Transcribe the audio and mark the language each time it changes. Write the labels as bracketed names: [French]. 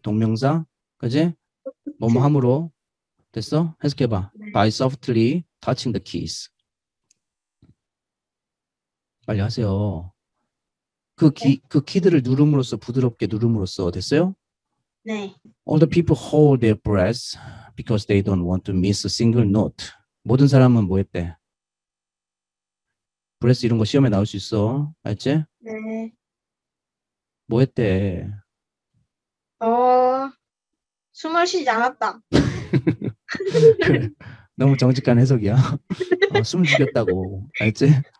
[Korean] 동명사? 그지? 뭐뭐 함으로? 됐어? 해석해봐. 네. [English] By softly touching the keys. [Korean] 빨리 하세요. 그 키들을 누름으로써 부드럽게 누름으로써 됐어요? 네. [English] All the people hold their breaths because they don't want to miss a single note. [Korean] 모든 사람은 뭐 했대? 브레스 이런 거 시험에 나올 수 있어. 알지? 네. 뭐 했대? 숨을 쉬지 않았다. 너무 정직한 해석이야. 숨을 죽였다고. 알지?